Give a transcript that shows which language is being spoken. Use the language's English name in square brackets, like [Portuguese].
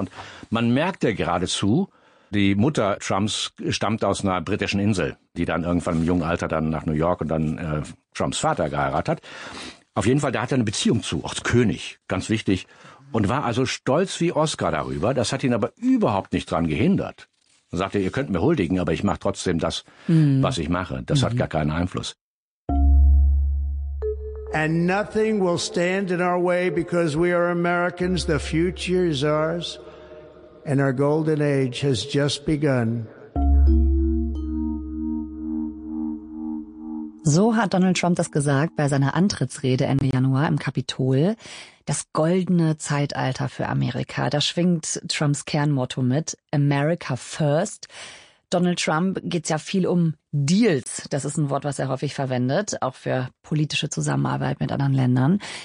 [German] Und man merkt ja geradezu, die Mutter Trumps stammt aus einer britischen Insel, die dann irgendwann im jungen Alter dann nach New York und dann Trumps Vater geheiratet hat. Auf jeden Fall, da hat er eine Beziehung zu, auch zum König, ganz wichtig. Und war also stolz wie Oscar darüber. Das hat ihn aber überhaupt nicht dran gehindert. Dann sagt er, ihr könnt mir huldigen, aber ich mache trotzdem das, was ich mache. Das hat gar keinen Einfluss. [English] And nothing will stand in our way because we are Americans. The future is ours and our golden age has just begun. [German] So hat Donald Trump das gesagt bei seiner Antrittsrede Ende Januar im Kapitol. Das goldene Zeitalter für Amerika, da schwingt Trumps Kernmotto mit, America first. Donald Trump geht's ja viel um Deals, das ist ein Wort, was er häufig verwendet, auch für politische Zusammenarbeit mit anderen Ländern.